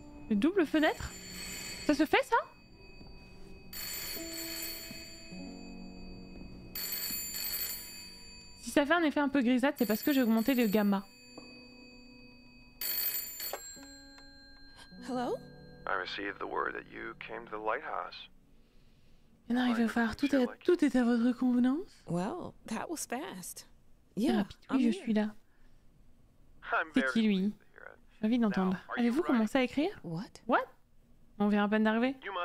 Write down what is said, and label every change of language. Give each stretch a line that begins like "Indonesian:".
French: Une double fenêtre? Ça se fait ça? Si ça fait un effet un peu grisâtre, c'est parce que j'ai augmenté le gamma.
English: Hello? I received the word that you came to the lighthouse.
French: Bien arrivé au phare, tout est à votre convenance.
English: Well, that was fast.
French: Yeah, oui, je suis là. C'est qui lui? J'ai envie d'entendre. Avez-vous commencé à écrire?
English: What? What?
French: On vient à peine d'arriver.